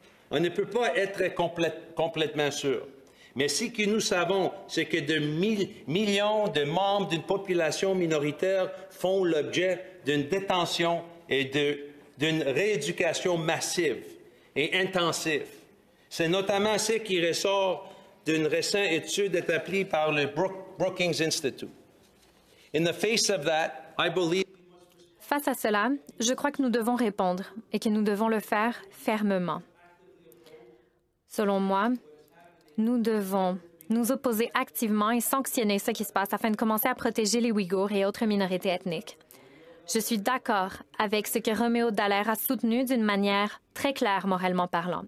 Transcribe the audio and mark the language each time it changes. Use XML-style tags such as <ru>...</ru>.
<fr>On ne peut pas être complètement sûr. Mais ce que nous savons, c'est que de millions de membres d'une population minoritaire font l'objet d'une détention et d'une rééducation massive et intensive. C'est notamment ce qui ressort d'une récente étude établie par le Brookings Institute.</fr> <en>In the face of that, I believe...</en> <fr>Face à cela, je crois que nous devons répondre et que nous devons le faire fermement. Selon moi, nous devons nous opposer activement et sanctionner ce qui se passe afin de commencer à protéger les Ouïghours et autres minorités ethniques. Je suis d'accord avec ce que Roméo Dallaire a soutenu d'une manière très claire moralement parlant.</fr>